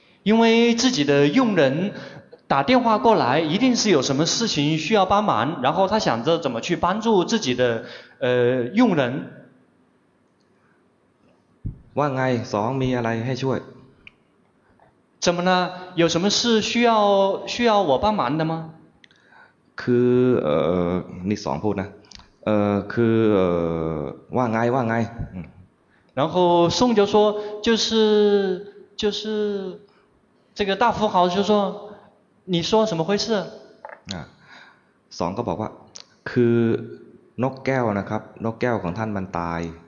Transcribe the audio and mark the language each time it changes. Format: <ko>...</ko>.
<zh>因为自己的佣人打电话过来一定是有什么事情需要帮忙然后他想着怎么去帮助自己的佣人</zh> <th>ว่าไงสองมีอะไรให้ช่วย</th> <zh>怎么了有什么事需要我帮忙的吗</zh> <th>คือนี่สองพูดนะคือว่าไงว่าไง</th> <zh>然后宋就说就是这个大富豪就说你说什么回事</zh> <th>สองก็บอกว่าคือนกแก้วนะครับนกแก้วของท่านมันตาย</th>